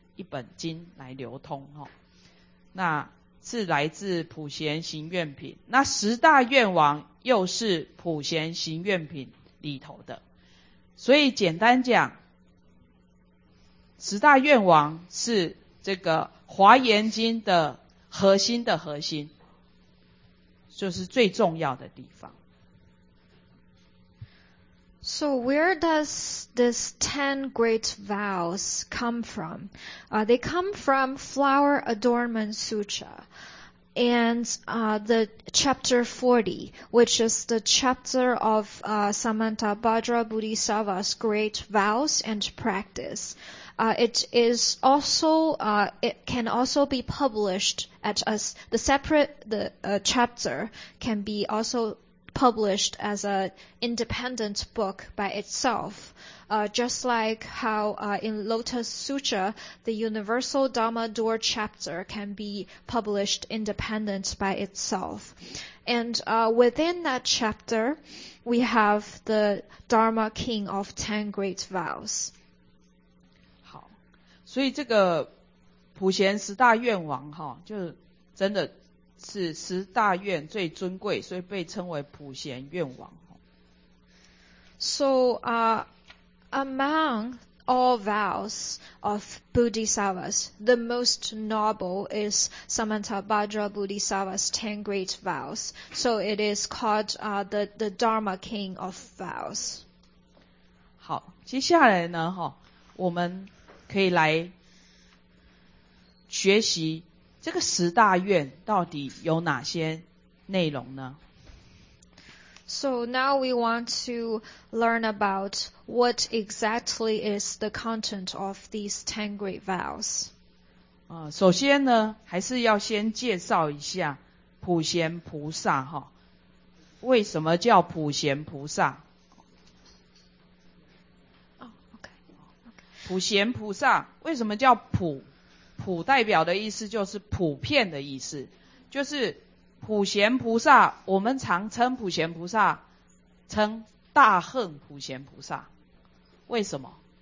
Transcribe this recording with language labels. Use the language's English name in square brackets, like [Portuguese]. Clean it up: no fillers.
[Chinese] 一本经来流通，那是来自普贤行愿品，那十大愿王又是普贤行愿品里头的，所以简单讲，十大愿王是这个华严经的核心的核心，就是最重要的地方。 [English] So where does this 10 great vows come from? They come from Flower Adornment Sutra and the chapter 40, which is the chapter of Samantabhadra Bodhisattva's great vows and practice. It can also be published at as the separate the chapter can be also published as an independent book by itself, just like how in Lotus Sutra, the Universal Dhamma Door chapter can be published independent by itself. And within that chapter, we have the Dharma King of 10 Great Vows. [Chinese] 好，所以这个普贤十大愿王哈，就真的是十大愿最尊贵，所以被称为普贤愿王。 [English] So, among all vows of Bodhisattvas, the most noble is Samantabhadra Bodhisattva's 10 great vows. So it is called the Dharma King of vows. [Chinese] 好，接下来呢，哈，我们可以来学习。这个十大愿到底有哪些内容呢？ [English] So now we want to learn about what exactly is the content of these 10 great vows. [Chinese] 首先呢，还是要先介绍一下普贤菩萨哈。为什么叫普贤菩萨？ [English] Okay. [Chinese] 普贤菩萨为什么叫普？普代表的意思就是普遍的意思，就是普贤菩萨，我们常称普贤菩萨称大恨普贤菩萨，为什么？